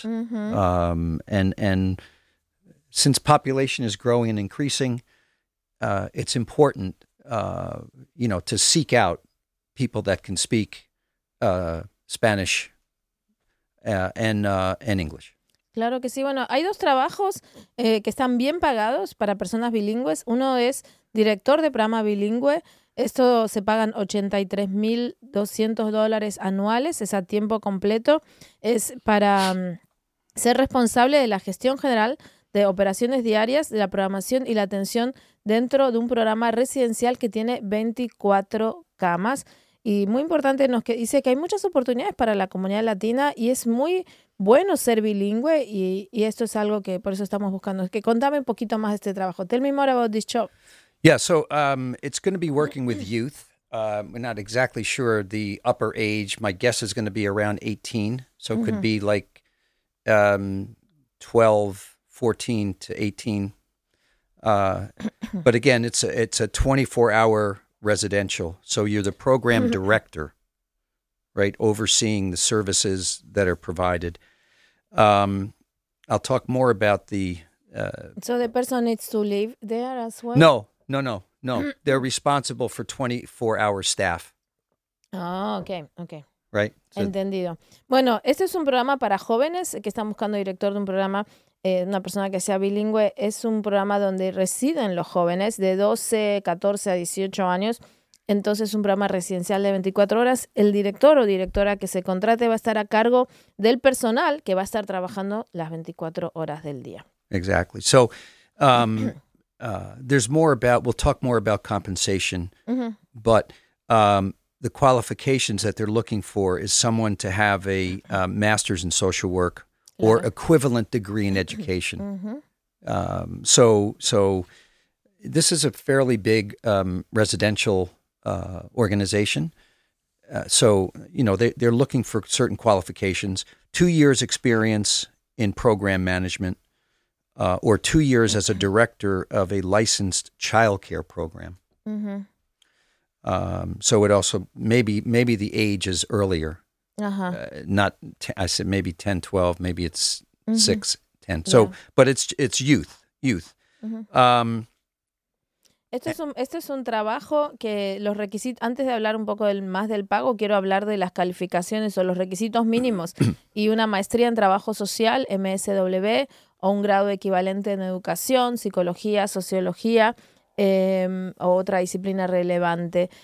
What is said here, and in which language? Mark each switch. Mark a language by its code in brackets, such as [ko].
[en] Mm-hmm. And since population is growing and increasing, it's important, to seek out people that can speak Spanish and English. [es] Claro que sí. Bueno, hay dos trabajos que están bien pagados para personas bilingües. Uno es director de programa bilingüe. Esto se pagan $83,200 anuales. Es a tiempo completo. Es para ser responsable de la gestión general de operaciones diarias, de la programación y la atención dentro de un programa residencial que tiene 24 camas. Y muy importante, nos dice que hay muchas oportunidades para la comunidad latina y es muy bueno ser bilingüe y esto es algo que por eso estamos buscando. Que contame un poquito más de este trabajo. [en] Tell me more about this job. Yeah, so it's going to be working with youth. We're not exactly sure the upper age. My guess is going to be around 18. So it could be like 12, 14 to 18. But again, it's a 24-hour residential. So you're the program director, right? Overseeing the services that are provided. I'll talk more about the... So the person needs to live there as well? No. They're responsible for 24-hour staff. Oh, okay. Right? [es] So, entendido. Bueno, este es un programa para jóvenes que están buscando director de un programa, una persona que sea bilingüe. Es un programa donde residen los jóvenes de 12, 14 a 18 años. Entonces, un programa residencial de 24 horas. El director o directora que se contrate va a estar a cargo del personal que va a estar trabajando las 24 horas del día. [en] Exactly. So, there's more about, we'll talk more about compensation, but the qualifications that they're looking for is someone to have a master's in social work or equivalent degree in education. So this is a fairly big residential organization. So they're looking for certain qualifications, 2 years experience in program management, or 2 years as a director of a licensed childcare program. So it also, maybe the age is earlier, maybe 10, 12, maybe it's 6, 10. So, yeah. But it's youth. [es] Este es un trabajo que los requisitos, antes de hablar un poco más del pago, quiero hablar de las calificaciones o los requisitos mínimos y una maestría en trabajo social, MSW, o un grado equivalente en educación, psicología, sociología, o otra disciplina relevante.